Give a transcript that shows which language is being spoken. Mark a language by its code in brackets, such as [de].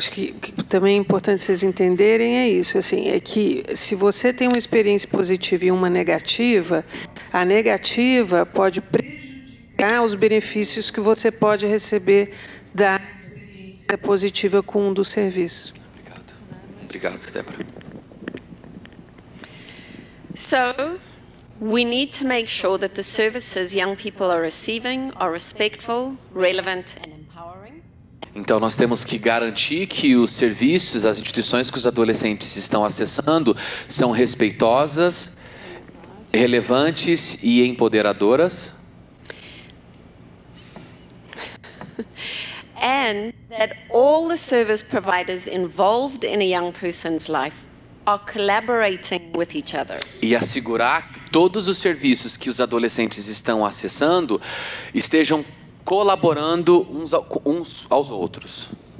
[pt] acho que também é importante vocês entenderem é isso, assim, é que se você tem uma experiência positiva e uma negativa, a negativa pode prejudicar os benefícios que você pode receber da experiência positiva com um dos serviços. Obrigado. Obrigado, Débora. [en] So, we need to make sure that the services young people are receiving are respectful, relevant and empowering. [pt] Então, nós temos que garantir que os serviços, as instituições que os adolescentes estão acessando são respeitosas, relevantes e empoderadoras. [en] And that all the service providers involved in a young person's life are collaborating with each other. [pt] E assegurar que todos os serviços que os adolescentes estão acessando estejam colaborando uns aos outros.